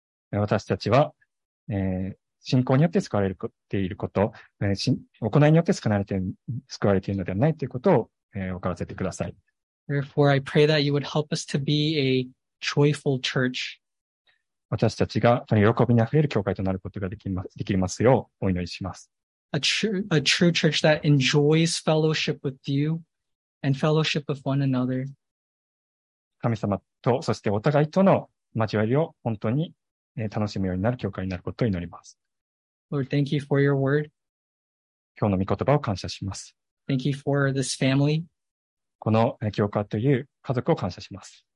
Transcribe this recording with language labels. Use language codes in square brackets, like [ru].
[ja] 私たちは、信仰によって救われていること、行いによって救われているのではないということを、分からせてください。 [en] Therefore, I pray that you would help us to be a joyful church. [ja] 私たちが喜びにあふれる教会となることができます、できますようお祈りします。 [en] A true church that enjoys fellowship with you and fellowship with one another. [ja] 神様と、そしてお互いとの交わりを本当に楽しむようになる教会になることを祈ります。 [en] Lord, thank you for your word. [ja] 今日の御言葉を感謝します。 [en] Thank you for this family. [ja] この教会という家族を感謝します。